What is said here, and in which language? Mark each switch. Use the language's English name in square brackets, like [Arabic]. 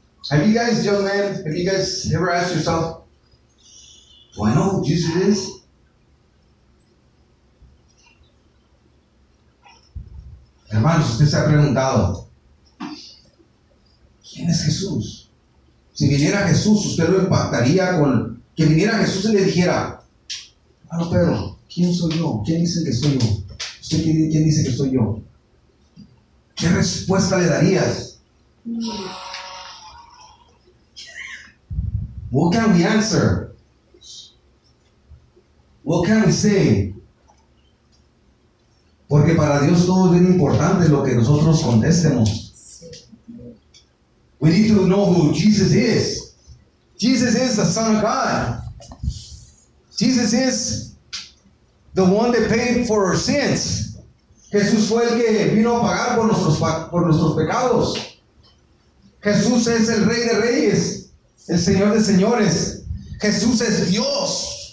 [English] Have you guys, young man, have you guys ever asked yourself, do I know who Jesus is? [Spanish] Hermanos, usted se ha preguntado, ¿quién es Jesús? Si viniera Jesús, usted lo impactaría con que viniera Jesús y le dijera, hermano Pedro, ¿quién soy yo? ¿Quién dice que soy yo? ¿Usted quién dice que soy yo? ¿Qué respuesta le darías? [English] What can we answer? What can we say? [Spanish] Porque para Dios todo es bien importante lo que nosotros contestemos. [English] We need to know who Jesus is. Jesus is the Son of God. Jesus is the one that paid for our sins. [Spanish] Jesús fue el que vino a pagar por nuestros pecados. Jesús es el Rey de Reyes, el Señor de Señores. Jesús es Dios.